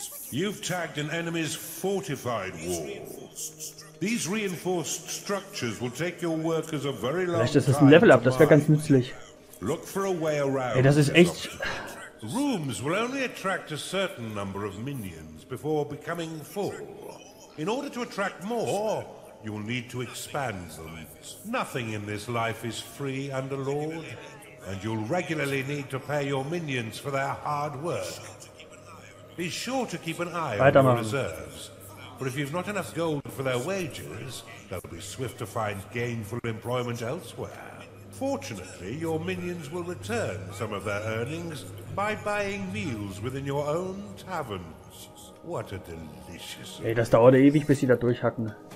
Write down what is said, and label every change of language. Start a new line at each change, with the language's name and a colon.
English: You've tagged an enemy's fortified wall. These reinforced structures will take your workers a very long time.
German: Vielleicht ist das ein Level-Up, das wäre ganz nützlich.
English: Look for a way around.
German: Ey, das ist echt...
English: Rooms will only attract a certain number of minions before becoming full. In order to attract more, you will need to expand them. Nothing in this life is free, Underlord, and you'll regularly need to pay your minions for their hard work. Be sure to keep an eye on your reserves, for if you've not enough gold for their wages, they'll be swift to find gainful employment elsewhere. Fortunately, your minions will return some of their earnings by buying meals within your own taverns. What a delicious.
German: Ey, das dauert ewig, bis sie da durchhacken.